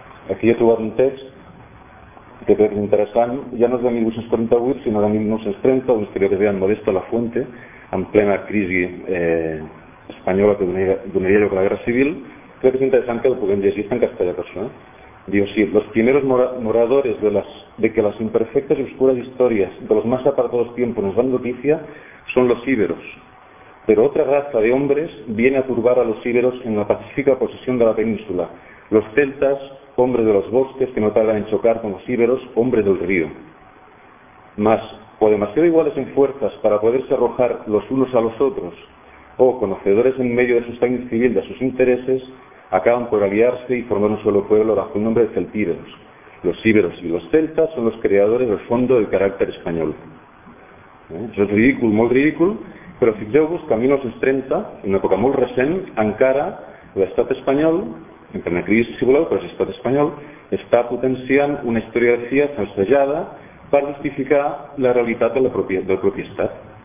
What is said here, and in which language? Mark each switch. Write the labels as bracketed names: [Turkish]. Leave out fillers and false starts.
[Catalan] Aquí he trobat un text que crec que és interessant, ja no és de 1848, sinó de 1930, on crec que es veia Modesto Lafuente, en plena crisi espanyola que donaria lloc a la Guerra Civil. Crec que és interessant que el puguem llegir en castellà, per això. Diu així, [Spanish] los primeros moradores de que las imperfectas y oscuras historias de los más apartados tiempos nos dan noticia son los íberos. Pero otra raza de hombres viene a turbar a los íberos en la pacífica posesión de la península. Los celtas, hombres de los bosques, que no tardan en chocar con los íberos, hombres del río. Mas, o demasiado iguales en fuerzas para poderse arrojar los unos a los otros, o conocedores en medio de su estado civil de sus intereses, acaban por aliarse y formar un solo pueblo bajo el nombre de celtíberos. Los íberos y los celtas son los creadores del fondo del carácter español. [Catalan] Això és ridícul, molt ridícul, però fixeu-vos que a 1930, en una època molt recent, encara l'estat espanyol, en plena crisi si voleu, però és l'estat espanyol, està potenciant una historiografia falsejada per justificar la realitat del propi estat.